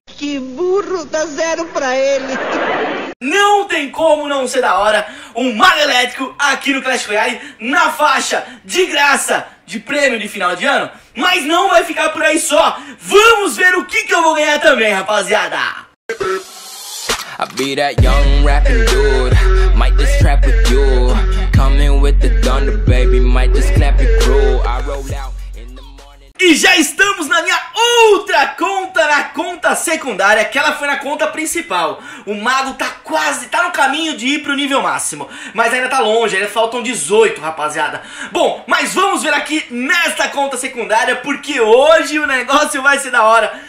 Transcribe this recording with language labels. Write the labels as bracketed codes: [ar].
[pt] Que burro, dá zero pra ele. Não tem como não ser da hora um Mago Elétrico aqui no Clash Royale na faixa de graça de prêmio de final de ano. Mas não vai ficar por aí só. Vamos ver o que eu vou ganhar também, rapaziada. [en] I be that young rapping dude, might just trap with you. Coming with the thunder, baby, might just clap it through. I roll out. [pt] E já estamos na minha outra conta, na conta secundária, que ela foi na conta principal. O mago tá quase, tá no caminho de ir pro nível máximo, mas ainda tá longe, ainda faltam 18, rapaziada. Bom, mas vamos ver aqui nesta conta secundária, porque hoje o negócio vai ser da hora.